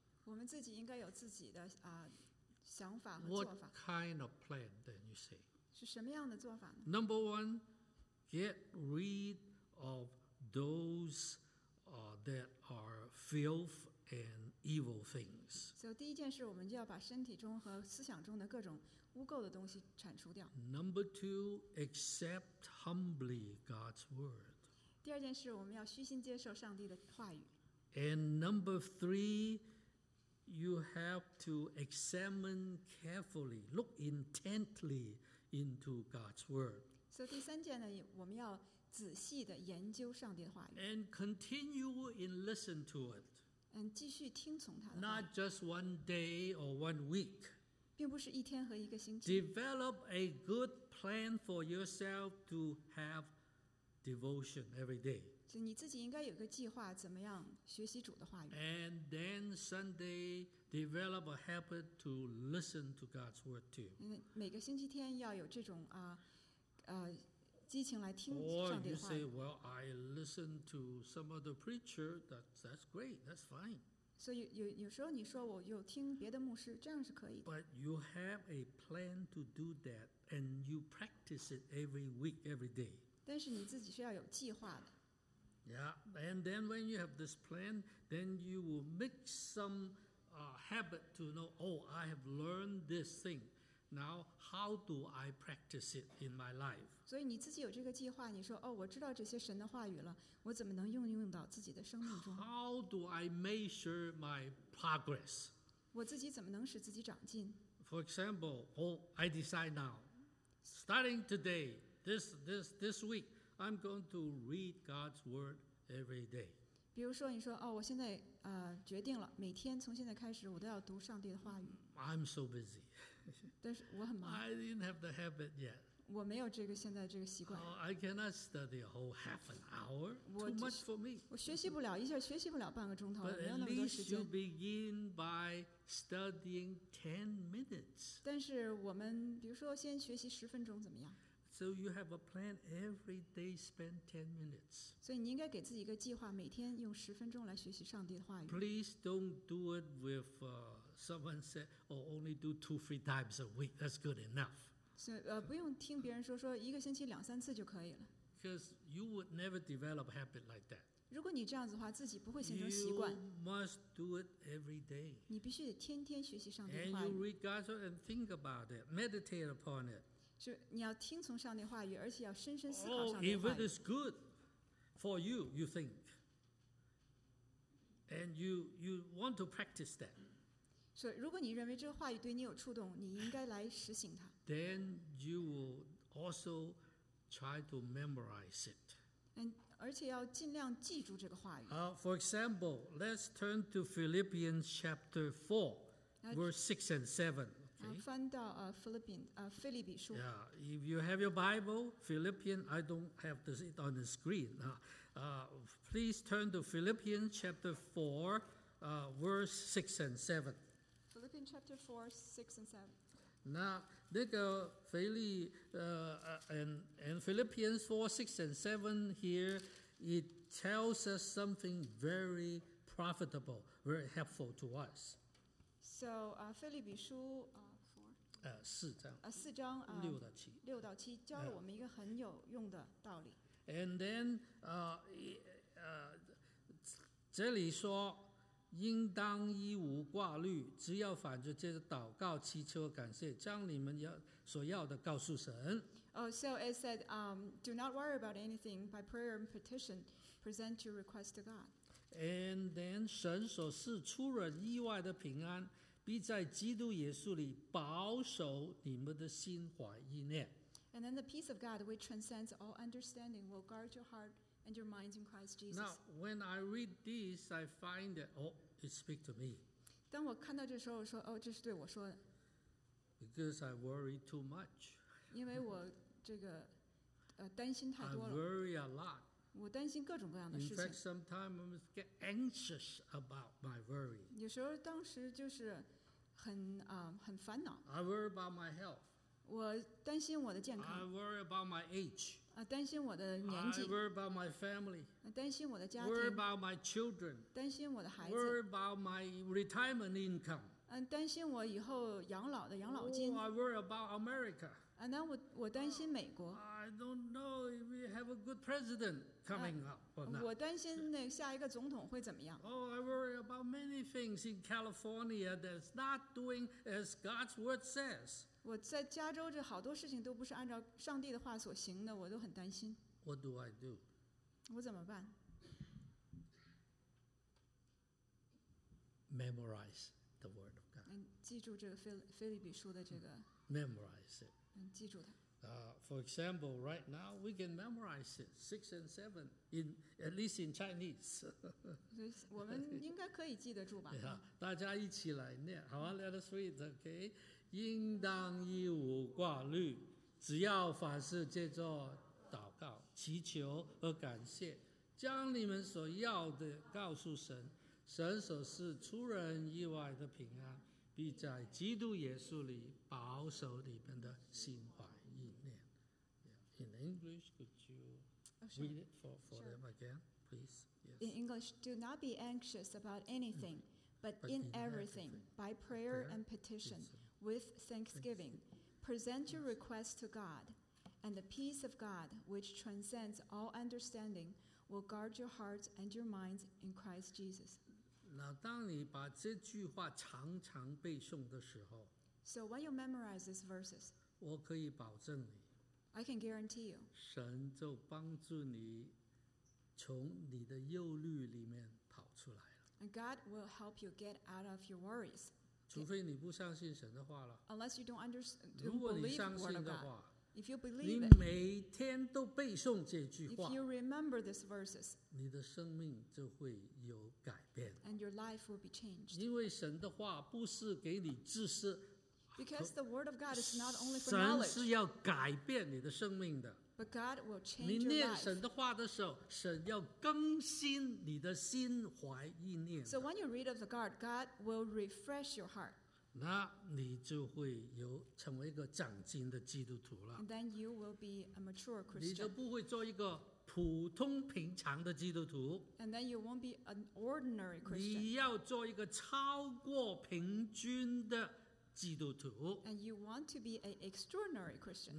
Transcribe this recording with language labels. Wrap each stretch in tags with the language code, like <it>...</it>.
<zh>我们自己应该有自己的想法和做法。</zh> <en>What kind of plan then you say?</en> <zh>是什么样的做法呢？</zh> <en>Number one, get rid of those that are filth and evil things.</en> <zh>So 第一件事，我们就要把身体中和思想中的各种污垢的东西铲除掉。</zh> <en>Number two, accept humbly God's word.</en> <zh>第二件事，我们要虚心接受上帝的话语。</zh> <en>And number three,you have to examine carefully, look intently into God's word.</en> <zh>So, 第三件呢，我们要仔细地研究上帝的话语。</zh> <en>And continue in listen to it.</en> <zh>And 继续听从他的话语。</zh> <en>Not just one day or one week.</en> <zh>并不是一天和一个星期。</zh> <en>Develop a good plan for yourself to have devotion every day.</en> <zh>就你自己应该有个计划，怎么样学习主的话语。</zh> <en>And then Sunday, develop a habit to listen to God's word too.</en> <zh>每个星期天要有这种激情来听上帝的话语。</zh> <en>Or you say, well, I listen to some other preacher, that's great, that's fine. So you</en> <zh>说你说我有听别的牧师，这样是可以的。</zh> <en>But you have a plan to do that, and you practice it every week, every day.</en> <zh>但是你自己是要有计划的。</zh> <en>Yeah, and then when you have this plan, then you will make some habit to know, oh, I have learned this thing. Now, how do I practice it in my life?</en> <zh>所以你自己有这个计划，你说哦，我知道这些神的话语了，我怎么能运用到自己的生命中？</zh> <en>How do I measure my progress?</en> <zh>我自己怎么能使自己长进？</zh> <en>For example, I decide now, starting today, this week, I'm going to read God's word every day.</en> <zh>比如说你说哦，我现在决定了，每天从现在开始，我都要读上帝的话语。</zh> <en>I'm so busy.</en> <zh>但是我很忙。</zh> <en>I didn't have the habit yet.</en> <zh>我没有这个现在这个习惯。</zh> <en>I cannot study a whole half an hour. Too much for me.</en> <zh>我学习不了一下，学习不了半个钟头，没有那么多时间。</zh> <en>But at least you begin by studying 10 minutes.</en> <zh>但是我们比如说先学习十分钟怎么样？</zh> <en>So you have a plan every day. Spend 10 minutes.</en> <zh>所以你应该给自己一个计划，每天用十分钟来学习上帝的话语。</zh> <en>Please don't do it with someone said, or only do 2-3 times a week. That's good enough.</en> <zh>所以不用听别人说说一个星期两三次就可以了。</zh> <en>Because you would never develop a habit like that.</en> <zh>如果你这样子的话，自己不会形成习惯。</zh> <en>You must do it every day.</en> <zh>你必须得天天学习上帝的话语。</zh> <en>And you read God's word and think about it, meditate upon it.</en> <zh>就你要听从上帝话语，而且要深深思考上帝话语。</zh> <en>Oh, if it is good for you, you think, and you want to practice that.</en> <zh>所以，如果你认为这个话语对你有触动，你应该来实行它。</zh> <en>Then you will also try to memorize it.</en> <zh>而且要尽量记住这个话语。</zh> <en>For example, let's turn to Philippians chapter 4, verse 6 and 7. Okay.</en> <zh>翻到腓立比书。</zh> <en>Yeah, if you have your Bible, Philippians, I don't have this on the screen. Please turn to Philippians chapter 4, verse 6 and 7. Philippians chapter 4, 6 and 7. Now, 那个腓立and Philippians 4, 6 and 7 here, it tells us something very profitable, very helpful to us.</en> <zh>So, 腓立比书四章六到七，六到七教了我们一个很有用的道理。 And then, 这里说应当一无挂虑，只要反着接着祷告、祈求、感谢，将你们所要的告诉神。</zh> <en>Oh, so it said, do not worry about anything. By prayer and petition, present your request to God.</en> <zh>And then, 神所赐出人意外的平安。必在基督耶稣里保守你们的心怀意念。</zh> <en>And then the peace of God, which transcends all understanding, will guard your heart and your minds in Christ Jesus. Now, when I read this, I find that, oh, it speaks to me.</en> <zh>当我看到这时候，我说，哦，这是对我说的。</zh> <en>Because I worry too much.</en> <zh>因为我这个担心太多了。</zh> <en>I worry a lot.</en> <zh>我担心各种各样的事情。</zh> <en>In fact, sometimes I get anxious about my worry.</en> <zh>有时候当时就是很烦恼。</zh> <en>I worry about my health.</en> <zh>我担心我的健康。</zh> <en>I worry about my age.</en> <zh>担心我的年纪。</zh> <en>I worry about my family.</en> <zh>担心我的家庭。</zh> <en>Worry about my children.</en> <zh>担心我的孩子。</zh> <en>Worry about my retirement income.</en> <zh>担心我以后养老的养老金。</zh> <en>Oh, I worry about America.</en> <zh>那我担心美国。</zh> <en>I don't know if we have a good president coming up or not.</en> <zh>我担心那下一个总统会怎么样。</zh> <en>Oh, I worry about many things in California that's not doing as God's word says.</en> <zh>我在加州这好多事情都不是按照上帝的话所行的，我都很担心。</zh> <en>What do I do?</en> <zh>我怎么办？</zh> <en>Memorize the word of God.</en> <zh>记住这个腓立比书的这个。</zh> <en>Memorize it.</en> <zh>记住它。</zh> <en>For example, right now we can memorize it, 6 and 7, in at least in Chinese.</en> <zh>我们应该可以记得住吧？ yeah, 大家一起来念，好啊 ，</zh> <en>Let us read, okay?</en> <zh>应当一无挂虑，只要凡事借着祷告、祈求和感谢，将你们所要的告诉神，神所赐出人意外的平安，必在基督耶稣里保守你们的心怀。</zh> <en>In English, could you read it for them again, please? Yes. In English, do not be anxious about anything, but in everything, by prayer and petition, with thanksgiving, present your request to God, and the peace of God, which transcends all understanding, will guard your hearts and your minds in Christ Jesus.</en> <zh>那当你把这句话常常背诵的时候,</zh> <en>So when you memorize these verses,</en> <zh>我可以保证你，</zh> <en>I can guarantee you,</en> <zh>神就帮助你从你的忧虑里面跑出来了。</zh> <en>And God will help you get out of your worries.</en> <zh>除非你不相信神的话了。</zh> <en>Unless you don't understand, don't believe the word of God.</en> <zh>如果你相信的话，</zh> <en>if you believe,</en> <zh>你每天都背诵这句话，</zh> <en>if you remember these verses,</en> <zh>你的生命就会有改变。</zh> <en>And your life will be changed.</en> <zh>因为神的话不是给你知识。</zh> <en>Because the word of God is not only for knowledge.</en> <zh>神是要改变你的生命的。</zh> <en>But God will change your</en> <zh>你念神的话的时候，神要更新你的心怀意念。</zh> <en>So when you read of the God, God will refresh your heart.</en> <zh>那你就会有成为一个长进的基督徒了。</zh> <en>And then you will be a mature Christian.</en> <zh>你就不会做一个普通平常的基督徒。</zh> <en>And then you won't be an ordinary Christian.</en> <zh>你要做一个超过平均的。基督徒，</zh> <en>and you want to be an extraordinary Christian.</en>